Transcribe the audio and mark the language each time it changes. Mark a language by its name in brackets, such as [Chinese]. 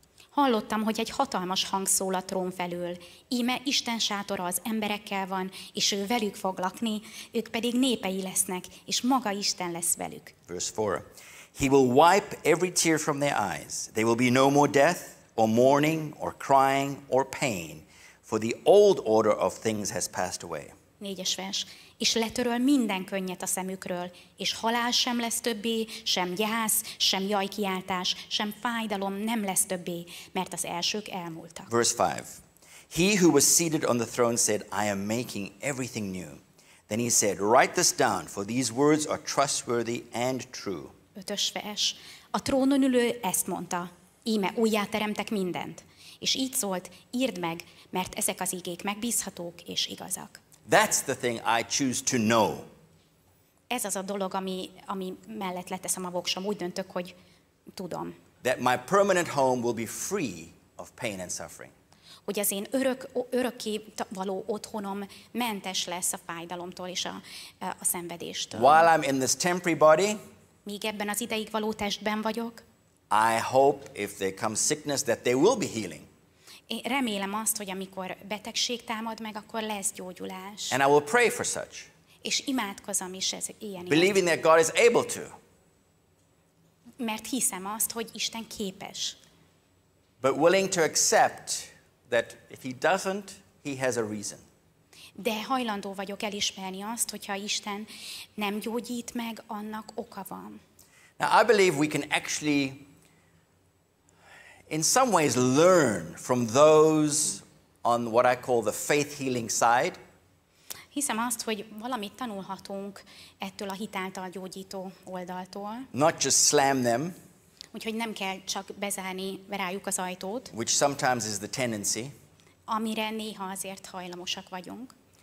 [Hungarian] Hallottam, hogy egy hatalmas hang szól a trón felül. Íme Isten sátora az emberekkel van, és ő velük fog lakni, ők pedig népei lesznek, és maga Isten lesz velük. [English] Verse 4. He will wipe every tear from their eyes. There will be no more death, or mourning, or crying, or pain, for the old order of things has passed away. [Hungarian] Négyes vers. És letöröl minden könnyet a szemükről, és halál sem lesz többé, sem gyász, sem jajkiáltás, sem fájdalom nem lesz többé, mert az elsők elmúltak. [English] Verse 5. He who was seated on the throne said, I am making everything new. Then he said, write this down, for these words are trustworthy and true. [Hungarian] Ötös vers. A trónon ülő ezt mondta, íme újjáteremtek mindent. És így szólt, írd meg, mert ezek az igék megbízhatók és igazak. [English] That's the thing I choose to know. [Hungarian] Ez az a dolog, ami mellett leteszem a voksom, úgy döntök, hogy tudom. [English] That my permanent home will be free of pain and suffering. [Hungarian] Hogy az én örökké való otthonom mentes lesz a fájdalomtól és a szenvedéstől. [English] While I'm in this temporary body, [Hungarian] míg ebben az ideig való testben vagyok, [English] I hope if there comes sickness that there will be healing. [Hungarian] Én remélem azt, hogy amikor betegség támad meg, akkor lesz gyógyulás. [English] And I will pray for such. [Hungarian] És imádkozom is ez ilyen. [English] Believing that God is able to. [Hungarian] Mert hiszem azt, hogy Isten képes. [English] But willing to accept that if he doesn't, he has a reason. [Hungarian] De hajlandó vagyok elismerni azt, hogyha Isten nem gyógyít meg, annak oka van. [English] Now I believe we can actually in some ways learn from those on what I call the faith healing side. [Hungarian] Hiszem azt, hogy valamit tanulhatunk ettől a hitáltal gyógyító oldaltól. [English] Not just slam them. [Hungarian] Úgyhogy nem kell csak bezárni rájuk az ajtót. [English] Which sometimes is the tendency. [Hungarian] Amire néha azért hajlamosak vagyunk.